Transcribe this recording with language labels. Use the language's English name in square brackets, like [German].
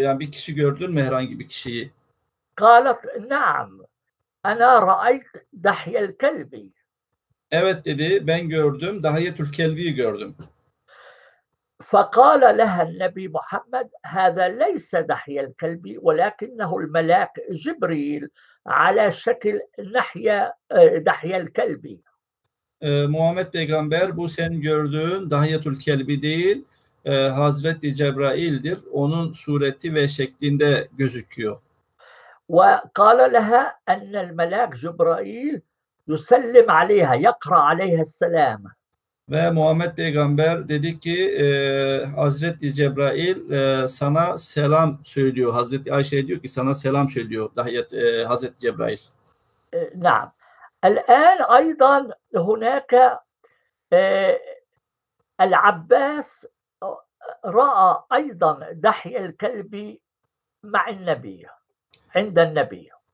[Turkish] Yani bir kişi gördün mü herhangi bir kişiyi? [Arabic] قالت نعم أنا رأيت دحية الكلبي [Turkish] Evet dedi. Ben gördüm. Dahiyetül Kelbi'yi gördüm. [Arabic] فقال لها النبي محمد هذا ليس دحية الكلبي ولكنه الملاك جبريل على شكل دحية الكلبي [Turkish] Muhammed Peygamber, bu senin gördüğün Dahiyetül Kelbi değil, Hazreti Cebrail'dir. Onun sureti ve şeklinde gözüküyor. [Arabic] وقال لها أن الملاك جبرائيل يسلم عليها يقرأ عليها السلام [Turkish] Ve Muhammed Peygamber dedi ki Hazreti Cebrail sana selam söylüyor. Hazreti Ayşe diyor ki sana selam söylüyor Hazreti Cebrail. [Arabic] نعم الآن أيضا هناك العباس رأى أيضا دحية الكلب مع النبي عند النبي